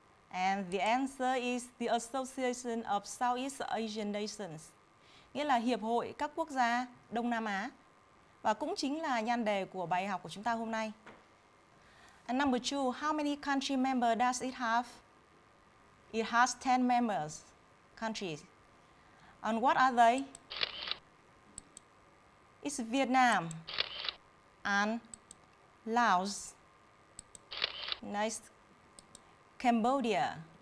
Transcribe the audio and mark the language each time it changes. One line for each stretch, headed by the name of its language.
English: And the answer is the Association of Southeast Asian Nations.
Vietnamese: Nghĩa là Hiệp hội các quốc gia Đông Nam Á. Và cũng chính là nhan đề của bài học của chúng ta hôm nay.
English: And number two, how many country members does it have? It has 10 members, countries. And what are they? It's Vietnam and Laos. Nice. Cambodia.